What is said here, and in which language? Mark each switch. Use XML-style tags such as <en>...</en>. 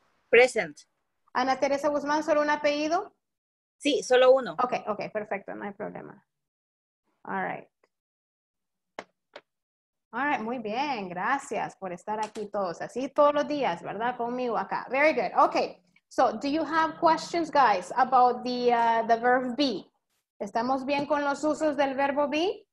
<en>Present.</en> <es>Ana Teresa Guzmán, ¿solo un apellido? Sí, solo uno. Ok, ok, perfecto, no hay problema.</es> <en>All right. All right,</en> <es>muy bien, gracias por estar aquí todos, así todos los días, ¿verdad? Conmigo acá.</es> <en>Very good. Ok, so do you have questions, guys, about the verb be?</en> <es>¿Estamos bien con los usos del verbo be?</es>